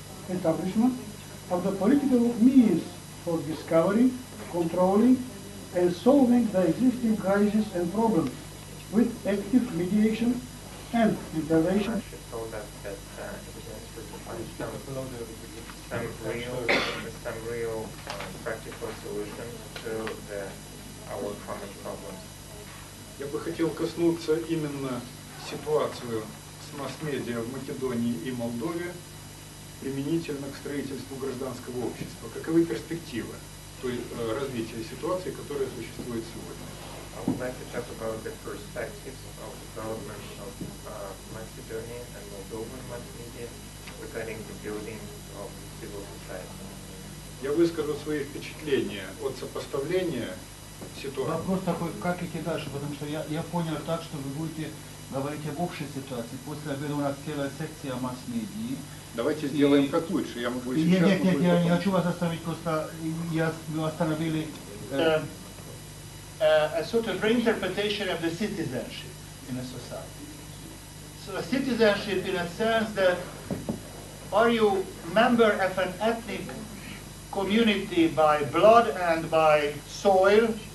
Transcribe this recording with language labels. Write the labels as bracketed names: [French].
[English] Establishment of the political means for discovering, controlling, and solving the existing crises and problems with active mediation and intervention. I should hold up some real practical solutions to our common problems. [Russian] Я бы хотел коснуться именно ситуацию с масс-медиа в Македонии и Молдове применительно к строительству гражданского общества. Каковы перспективы, то есть развития ситуации, которая существует сегодня? [English] I would like to talk about the perspectives of development of Macedonian and Moldovan multimedia regarding the building of civil society. [Russian] Я выскажу свои впечатления от сопоставления ситуации. Вопрос такой, как идти дальше, потому что я понял так, что вы будете говорить об общей ситуации. После обеда у нас целая секция масс-медии. Давайте сделаем как лучше. Я могу сейчас... Нет, я не хочу вас остановить, просто вы остановили... [English] A sort of reinterpretation of the citizenship in a society. So a citizenship in a sense that are you member of an ethnic community by blood and by soil?